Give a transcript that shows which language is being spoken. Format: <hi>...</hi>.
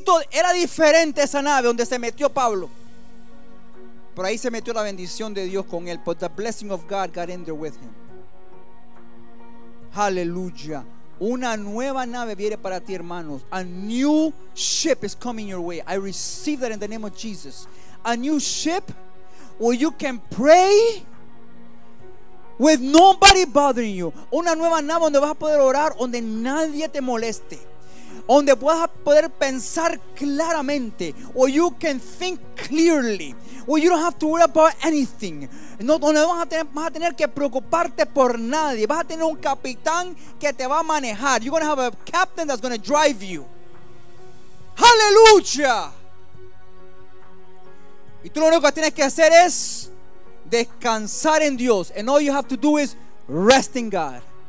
<es>Era diferente esa nave donde se metió Pablo. Por ahí se metió la bendición de Dios con él.</es> <en>But the blessing of God got in there with him. Hallelujah.</en> <es>Una nueva nave viene para ti, hermanos.</es> <en>A new ship is coming your way. I receive that in the name of Jesus. A new ship where you can pray with nobody bothering you.</en> <es>Una nueva nave donde vas a poder orar, donde nadie te moleste, donde vas a poder pensar claramente,</es> <en>or you can think clearly, where you don't have to worry about anything.</en> <es>No, donde vas a tener que preocuparte por nadie. Vas a tener un capitán que te va a manejar.</es> <en>You're going to have a captain that's going to drive you. Hallelujah.</en> <es>Y tú lo único que tienes que hacer es descansar en Dios.</es> <en>And all you have to do is rest in God.</en>